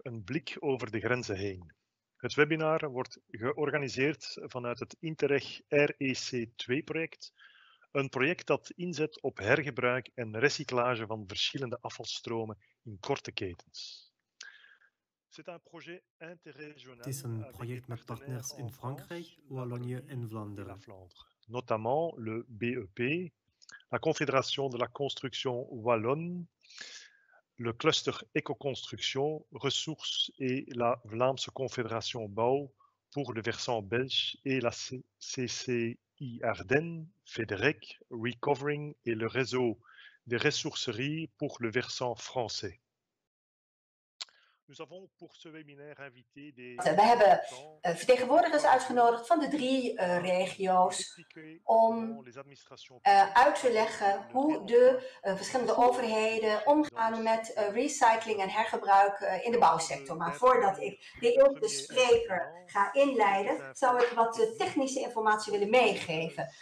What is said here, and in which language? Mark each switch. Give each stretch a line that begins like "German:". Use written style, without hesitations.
Dutch: Een blik over de grenzen heen. Het webinar wordt georganiseerd vanuit het Interreg REC2-project. Een project dat inzet op hergebruik en recyclage van verschillende afvalstromen in korte ketens. Het is een project met partners in Frankrijk, Wallonië en Vlaanderen.
French: Notamment le BEP. La Confédération de la Construction Wallonne, le cluster Éco-Construction, Ressources et la Vlaamse Confédération Bouw pour le versant belge et la CCI Ardennes, FEDEREC, Recovering et le réseau des ressourceries pour le versant français. Nous avons pour ce webinaire invité des...
Dutch: We hebben vertegenwoordigers uitgenodigd van de drie regio's om uit te leggen hoe de verschillende overheden omgaan met recycling en hergebruik in de bouwsector. Maar voordat ik de eerste spreker ga inleiden, zou ik wat technische informatie willen meegeven.